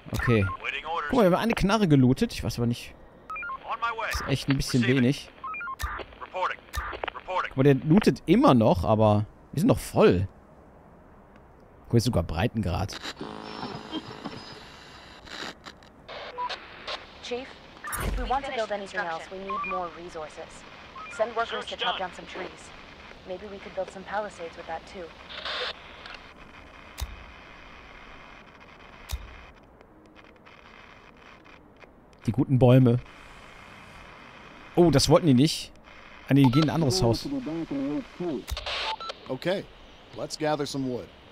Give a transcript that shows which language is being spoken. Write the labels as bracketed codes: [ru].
[de] Okay. Guck mal, wir haben eine Knarre gelootet. Ich weiß aber nicht. Das ist echt ein bisschen wenig. [en] Reporting. Reporting. [de] Guck mal, der lootet immer noch, aber wir sind noch voll. Guck mal, hier ist sogar Breitengrad. [en] Chief, if we want to build anything else, we need more resources. Send workers to chop down some trees. Maybe we could build some palisades with that too. [de] Die guten Bäume. Oh, das wollten die nicht. Nee, die gehen in ein anderes Haus. [en] Okay, let's gather some wood.